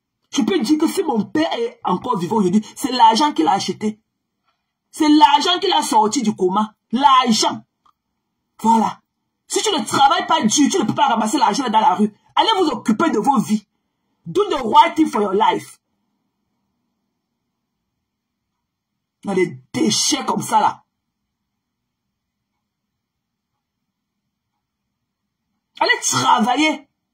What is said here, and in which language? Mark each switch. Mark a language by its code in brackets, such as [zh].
[fr] Je peux dire que si mon père est encore vivant aujourd'hui, c'est l'argent qu'il a acheté. C'est l'argent qu'il a sorti du coma. L'argent. Voilà. Si tu ne travailles pas dur, tu ne peux pas ramasser l'argent dans la rue. Allez vous occuper de vos vies. [en] Do the right thing for your life. [fr] Dans les déchets comme ça là. Allez travailler.